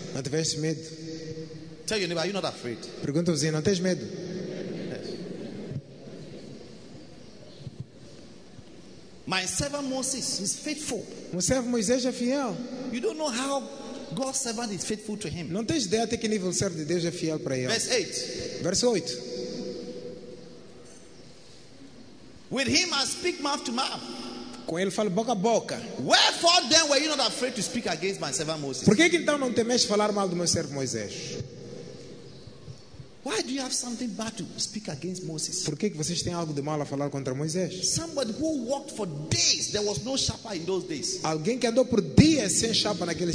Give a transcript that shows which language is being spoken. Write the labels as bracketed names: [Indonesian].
[Portuguese] Não tiveste medo? [English] Tell your neighbor, are you not afraid? [Portuguese] Pergunta ao vizinho, não tens medo? [English] My servant Moses is faithful. [Portuguese] Meu servo Moisés é fiel. [English] You don't know how God's servant is faithful to him. [Portuguese] Não tens ideia até que nível o servo de Deus é fiel para ele. [English] Verse 8. [Portuguese] Verso 8. [English] With him I speak mouth to mouth. [Portuguese] Com ele falo boca a boca. [English] Wherefore then were you not afraid to speak against my servant Moses? [Portuguese] Por que então não temeste falar mal do meu servo Moisés? [English] Why do you have something bad to speak against Moses? [Portuguese] Por que vocês têm algo de mal a falar contra Moisés? [English] Somebody who walked for days, there was no chapa in those days. [Portuguese] Alguém que andou por dias sem chapa naqueles